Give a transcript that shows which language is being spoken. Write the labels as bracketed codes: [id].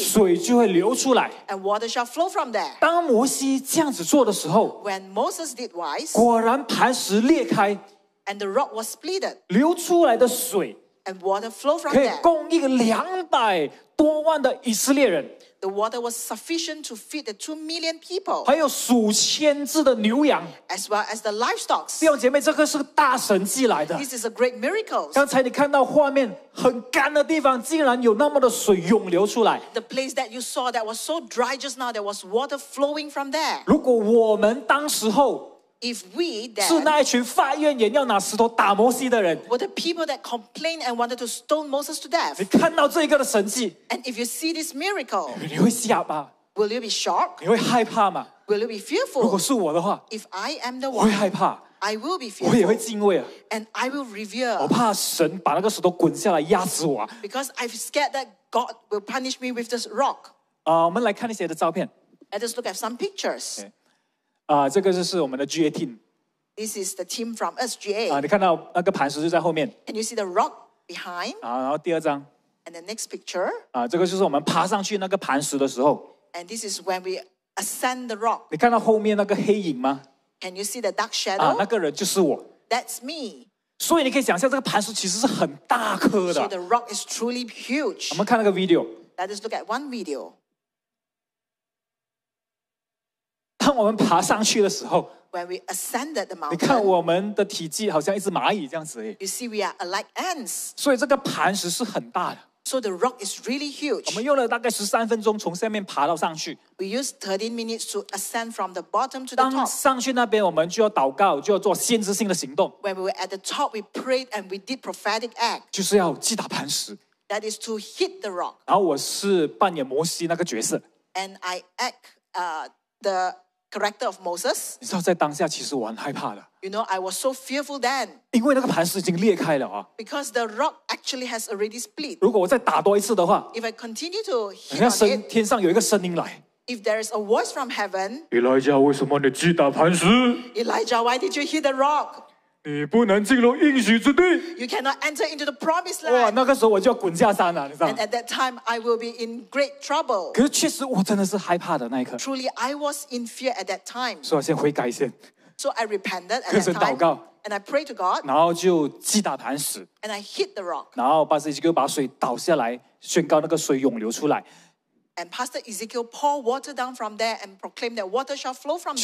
[zh] 水就会流出来， [en] and water shall flow from there. [zh] 当摩西这样子做的时候， [en] When Moses did wise, [zh] 果然磐石裂开。 [en] And the rock was split. [zh] 流出来的水 [en] and water flowed from [zh] 可以供应200多万的以色列人。 [en] The water was sufficient to feed the 2 million people. [zh] 还有数千只的牛羊。 [en] As well as the livestock. [zh] 弟兄姐妹，这个是大神迹来的。 [en] This is a great miracle. [zh] 刚才你看到画面，很干的地方，竟然有那么的水涌流出来。 [en] The place that you saw that was so dry just now, there was water flowing from there. [zh] 如果我们当时候 [en] If we then, [zh] 是那一群发怨言要拿石头打摩西的人, [en] were the people that complained and wanted to stone Moses to death. [zh] 你看到这一个的神迹, [en] and if you see this miracle, [zh] 你会吓吧? [en] Will you be shocked? [zh] 你会害怕吗? [en] Will you be fearful? [zh] 如果是我的话, [en] if I am the one, [zh] 我会害怕, [en] I will be fearful. [zh] 我也会敬畏啊, [en] and I will revere. [zh] 我怕神把那个石头滚下来压死我啊, [en] because I'm scared that God will punish me with this rock. [zh] 我们来看一些的照片。 [en] Let us look at some pictures. Okay. [zh] 这个就是我们的 GA team. [en] This is the team from us, GA. [zh] 你看到那个磐石就在后面。 [en] And you see the rock behind? [zh] 然后第二张。 [en] And the next picture? [zh] 这个就是我们爬上去那个磐石的时候。 [en] And this is when we ascend the rock. [zh] 你看到后面那个黑影吗? [en] And you see the dark shadow? [zh] 那个人就是我。 [en] That's me. [zh] 所以你可以想象这个磐石其实是很大颗的。 [en] So the rock is truly huge. [zh] 我们看那个video。 [en] Let us look at one video. [zh] 当我们爬上去的时候, [en] when we ascended the mountain, [zh] 你看我们的体积好像一只蚂蚁这样子而已。 [en] You see, we are like ants. [zh] 所以这个磐石是很大的。 [en] So the rock is really huge. [zh] 我们用了大概13分钟从下面爬到上去。 [en] We used 13 minutes to ascend from the bottom to the top. [zh] 当上去那边我们就要祷告，就要做先知性的行动。 [en] When we were at the top, we prayed and we did prophetic act. [zh] 就是要击打磐石。 [en] That is to hit the rock. [zh] 然后我是扮演摩西那个角色。 [en] And I act the character of Moses. [zh] 你知道在当下其实我很害怕的。 [en] You know, I was so fearful then. [zh] 因为那个磐石已经裂开了啊。 [en] Because the rock actually has already split. [zh] 如果我再打多一次的话, [en] if I continue to hit on it, [zh] 天上有一个声音来。 [en] If there is a voice from heaven, [zh] Elijah, 为什么你击打磐石? [en] Elijah, why did you hit the rock? [zh] 你不能进入应许之地。 [en] You cannot enter into the promised land. [zh] 哇，那个时候我就要滚下山了，你知道吗？ [en] And at that time, I will be in great trouble. [zh] 可是确实我真的是害怕的那一刻。 [en] Truly, I was in fear at that time. [zh] 所以我先悔改先。 [en] So I repented at that time. And I prayed to God. [zh] 然后就击打磐石。 [en] And I hit the rock. [zh] 然后巴士基哥把水倒下来，宣告那个水涌流出来。 [en] And Pastor Ezekiel poured water down from there and proclaimed that water shall flow from there.